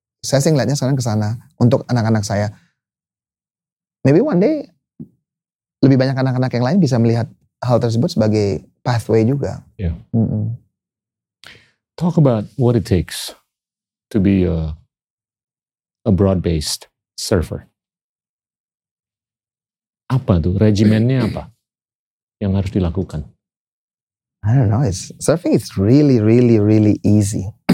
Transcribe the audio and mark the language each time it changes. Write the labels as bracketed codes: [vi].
[id] Saya sih ngeliatnya sekarang kesana untuk anak-anak saya. [en] Maybe one day [id] lebih banyak anak-anak yang lain bisa melihat hal tersebut sebagai pathway juga. [en] Yeah. Mm-mm. Talk about what it takes to be a broad-based surfer. [id] Apa tuh regimennya apa yang harus dilakukan? [en] I don't know. It's, surfing is really, really, really easy.